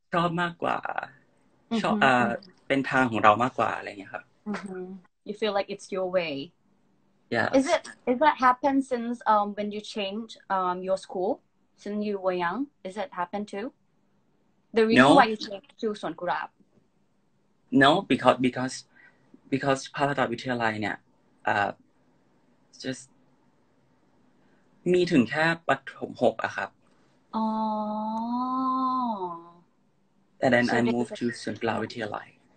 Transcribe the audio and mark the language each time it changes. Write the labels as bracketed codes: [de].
[th] ชอบมากกว่าชอบเป็นทางของเรามากกว่าอะไรเงี้ยครับ [en] You feel like it's your way. Yes. Is that happened since when you changed your school since you were young? Is that happened too? The reason why you changed to Songkhla? No, because [th] Paradak Vithayalai เนี่ย just มีถึงแค่ประถม6อะครับ อ๋อ [en] And then so I moved to Songkhla Vithayalai.